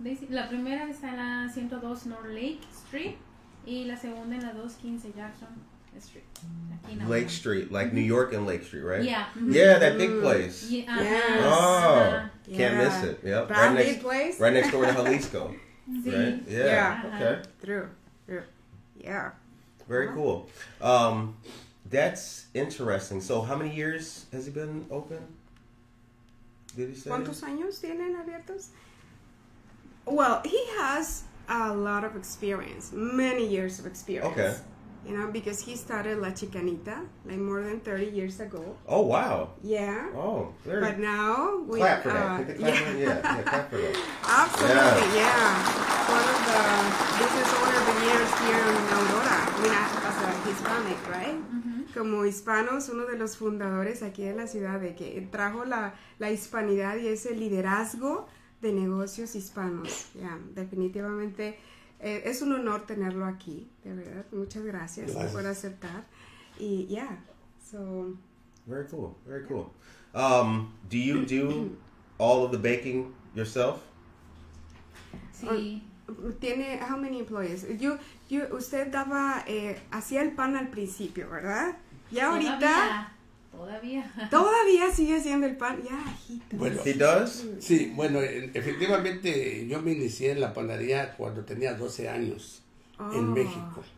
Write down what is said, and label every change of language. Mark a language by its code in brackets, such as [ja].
[es] La primera está en la 102 North Lake Street y la segunda en la 215 Jackson Street. [en] Lake Street, like New York and Lake Street, right? Yeah. Yeah, that big place. Yeah. Oh, can't miss it. Yep. That right big next, place? Right next door to Jalisco. Right? Yeah. Okay. True. Yeah. Very cool. That's interesting. So how many years has it been open? [es] ¿Cuántos años tienen abiertos? [en] Well, he has a lot of experience, many years of experience. Okay. You know, because he started La Chicanita, like, more than 30 years ago. Oh, wow. Yeah. Oh, very. But now, we... Clap for that. Yeah, clap for that. Absolutely, yeah. Yeah. One of the business owner veneers here in Aurora. I mean, as a Hispanic, right? Mm-hmm. [es] Como hispanos, uno de los fundadores aquí de la ciudad, de que trajo la hispanidad y ese liderazgo de negocios hispanos. Yeah, definitivamente... es un honor tenerlo aquí, de verdad. Muchas gracias, gracias por aceptar. Y yeah, so. [en] Very cool, very cool. Do you do all of the baking yourself? [es] Sí. [en] Tiene, how many employees? [es] Usted daba, hacía el pan al principio, ¿verdad? Ya ahorita. Todavía sigue haciendo el pan. Ya, hijito. [en] Bueno, ¿he does? [es] Sí, bueno, efectivamente yo me inicié en la panadería cuando tenía 12 años en México.